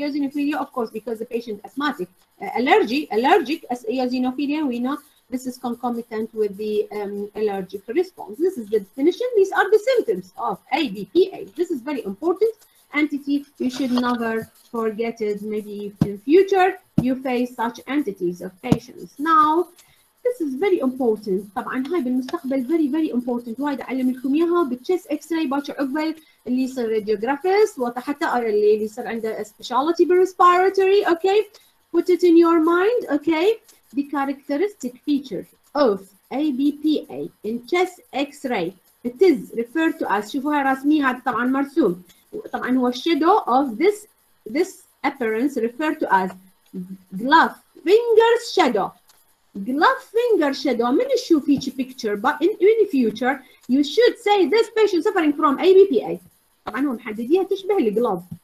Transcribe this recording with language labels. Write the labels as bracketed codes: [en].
[en] Eosinophilia, of course, because the patient asthmatic, allergic as eosinophilia, we know, This is concomitant with the allergic response. This is the definition. These are the symptoms of ABPA. This is very important entity. You should never forget it. Maybe in future you face such entities of patients. Now, this is is very important. [ar] طبعاً هاي بالمستقبل [en] very very important. [ar] وايد أعلم لكم إياها بالتشيس إكس راي باكر أقبل اللي يصير راديوغرافيس وحتى اللي يصير عنده سبيشاليتي بالريسبيراتوري. [en] Okay. Put it in your mind. Okay. The characteristic feature of ABPA in chest X-ray. It is referred to as. [ar] شوفوا هاي رسمي هذا طبعاً مرسوم. [en] طبعاً هو shadow of this appearance referred to as glove fingers shadow. Glove finger shadow. [ar] من يشوف هيك picture. [en] But in the future, you should say this patient suffering from ABPA. [ar] طبعاً هو محدديها تشبه الجلوف.